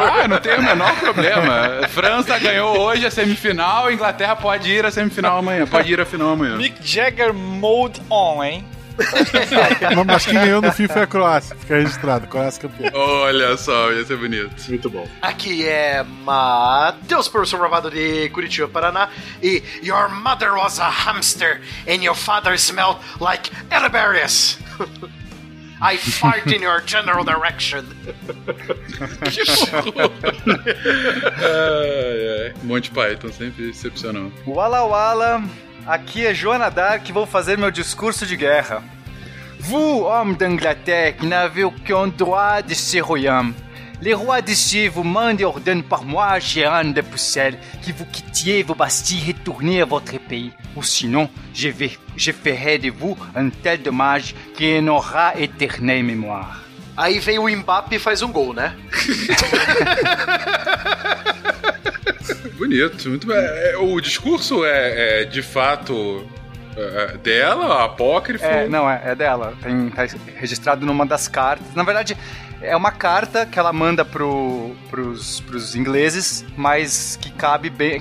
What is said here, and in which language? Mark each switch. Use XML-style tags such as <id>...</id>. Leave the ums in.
<pt>Ah, não tem o menor problema. França ganhou hoje a semifinal, a Inglaterra pode ir à semifinal amanhã, pode ir à final amanhã. Mick Jagger Mode On, hein? Mas- Mas quem ganhou no fim foi a Croácia. Fica registrado, Croácia campeã. Olha só, ia ser bonito. Muito bom. Aqui é Matheus, professor bravado de Curitiba, Paraná.</pt> <en>E Your mother was a hamster and your father smelled like elderberries. I fart in your general direction.</en> <pt>Que horror. ai, ai. Monty Python, sempre excepcional. Wala Wala, aqui é Joana Dark e vou fazer meu discurso de guerra.</pt> <fr>Vous, hommes d'Angleterre, qui n'avez qu'un droit de ce royaume, les rois d'ici vous mandent et ordonnent par moi, Gérane de Pucelle, que vous quittiez vos bastilles et retourniez à votre pays. Ou sinon, je, vais, je ferai de vous un tel dommage qui n'aura éternelle mémoire.</fr> <pt>Aí vem o Mbappe e faz um gol, né? Bonito, muito bem. É, O discurso é, é, de fato é, é, dela, apócrifo. É, não, é, é dela. Tem, tá registrado numa das cartas. Na verdade, é uma carta que ela manda pro, pros, pros ingleses, mas que cabe bem.</pt>